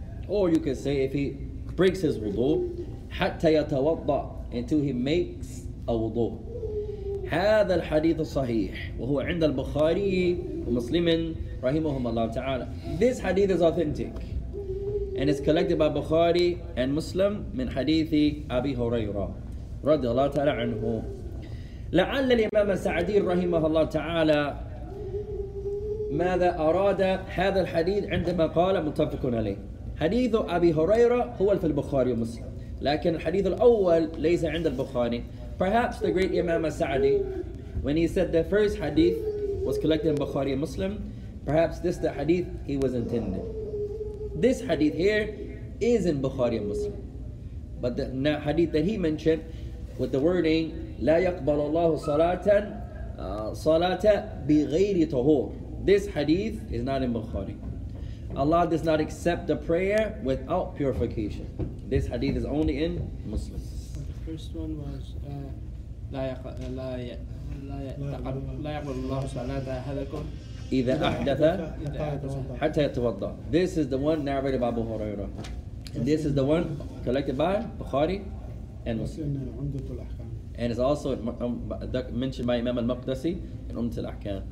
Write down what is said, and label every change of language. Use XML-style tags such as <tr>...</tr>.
<en>or you could say if he breaks his wudu,</en> <ar>حتى يتوضأ,</ar> <en>until he makes a wudu.</en> <ar>هذا الحديث الصحيح وهو عند البخاري ومسلم رحمهم الله تعالى.</ar> <en>This hadith is authentic and is collected by Bukhari and Muslim</en> <ar>من حديث أبي هريرة رضي الله تعالى عنه. لعل الإمام السعدي رحمه الله تعالى ماذا أراد هذا الحديث عندما قال متفق عليه. حديث أبي هريرة هو في البخاري ومسلم, لكن الحديث الأول ليس عند البخاري.</ar> <en>Perhaps the great Imam al-Sa'di, when he said the first hadith was collected in Bukhari and Muslim, perhaps this the hadith he was intending. This hadith here is in Bukhari and Muslim. But the hadith that he mentioned with the wording,</en> <ar>لا يقبل الله صلاة بغير طهور.</ar> <en>This hadith is not in Bukhari. Allah does not accept the prayer without purification. This hadith is only in Muslim. First one was</en> <ar>لا يقبل الله صلاة أحدكم إذا أحدث حتى يتوضأ.</ar> <en>This is the one narrated by Abu Huraira. This is the one collected by Bukhari and Muslim. And it's also mentioned by Imam Al-Maqdisi in Umm Al-Ahkam.</en>